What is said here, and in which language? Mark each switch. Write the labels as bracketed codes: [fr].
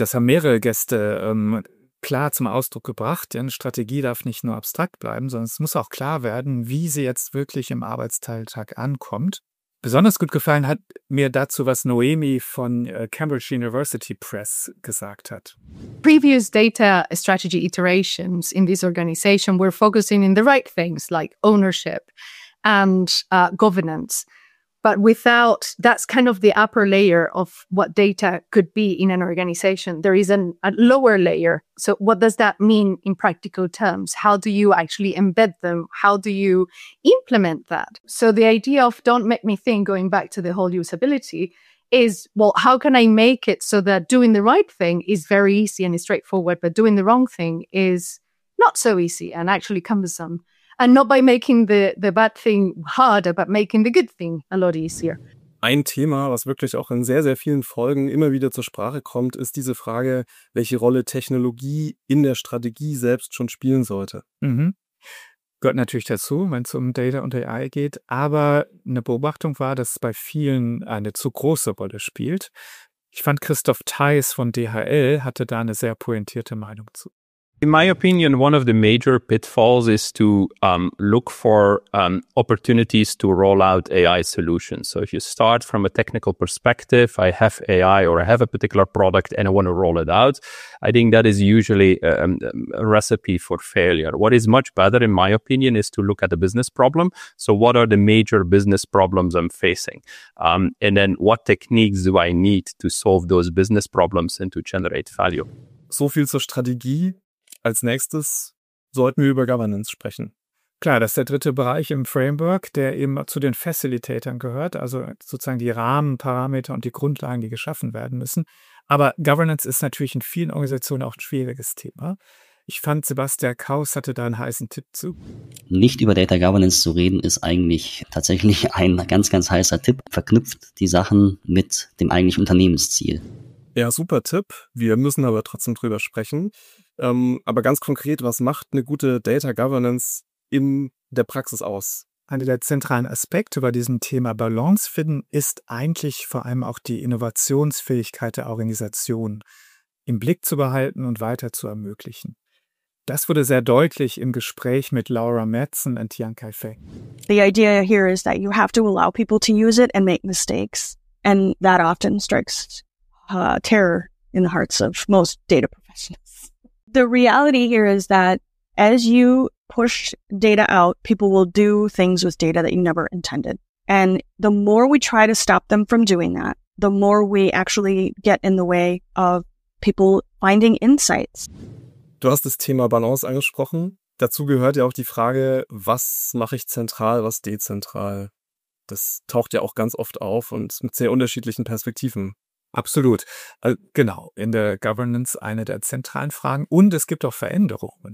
[de] Das haben mehrere Gäste klar zum Ausdruck gebracht, denn Strategie darf nicht nur abstrakt bleiben, sondern es muss auch klar werden, wie sie jetzt wirklich im Arbeitsalltag ankommt. Besonders gut gefallen hat mir dazu, was Noemi von Cambridge University Press gesagt hat. [en] Previous data strategy iterations in this organization were focusing in the right things like ownership and governance. But without, that's kind of the upper layer of what data could be in an organization. There is a lower layer. So what does that mean in practical terms? How do you actually embed them? How do you implement that? So the idea of don't make me think, going back to the whole usability, is, well, how can I make it so that doing the right thing is very easy and is straightforward, but doing the wrong thing is not so easy and actually cumbersome? And not by making the bad thing harder, but making the good thing a lot easier. [de] Ein Thema, was wirklich auch in sehr, sehr vielen Folgen immer wieder zur Sprache kommt, ist diese Frage, welche Rolle Technologie in der Strategie selbst schon spielen sollte. Mhm. Gehört natürlich dazu, wenn es um Data und AI geht. Aber eine Beobachtung war, dass es bei vielen eine zu große Rolle spielt. Ich fand, Christoph Theis von DHL hatte da eine sehr pointierte Meinung zu. [en] In my opinion, one of the major pitfalls is to look for opportunities to roll out AI solutions. So if you start from a technical perspective, I have AI or I have a particular product and I want to roll it out, I think that is usually a recipe for failure. What is much better, in my opinion, is to look at the business problem. So what are the major business problems I'm facing? And then what techniques do I need to solve those business problems and to generate value? [de] So viel zur Strategie. Als nächstes sollten wir über Governance sprechen. Klar, das ist der dritte Bereich im Framework, der eben zu den Facilitatoren gehört, also sozusagen die Rahmenparameter und die Grundlagen, die geschaffen werden müssen. Aber Governance ist natürlich in vielen Organisationen auch ein schwieriges Thema. Ich fand, Sebastian Kaus hatte da einen heißen Tipp zu. Nicht über Data Governance zu reden, ist eigentlich tatsächlich ein ganz, ganz heißer Tipp. Verknüpft die Sachen mit dem eigentlichen Unternehmensziel. Ja, super Tipp. Wir müssen aber trotzdem drüber sprechen. Aber ganz konkret, was macht eine gute Data Governance in der Praxis aus? Einer der zentralen Aspekte bei diesem Thema Balance finden ist eigentlich vor allem auch die Innovationsfähigkeit der Organisation im Blick zu behalten und weiter zu ermöglichen. Das wurde sehr deutlich im Gespräch mit Laura Madsen und Yan Kaifei. [en] The idea here is that you have to allow people to use it and make mistakes. And that often strikes terror in the hearts of most data professionals. The reality here is that as you push data out, people will do things with data that you never intended. And the more we try to stop them from doing that, the more we actually get in the way of people finding insights. [de] Du hast das Thema Balance angesprochen. Dazu gehört ja auch die Frage, was mache ich zentral, was dezentral? Das taucht ja auch ganz oft auf und mit sehr unterschiedlichen Perspektiven. Absolut. Genau, in der Governance eine der zentralen Fragen. Und es gibt auch Veränderungen.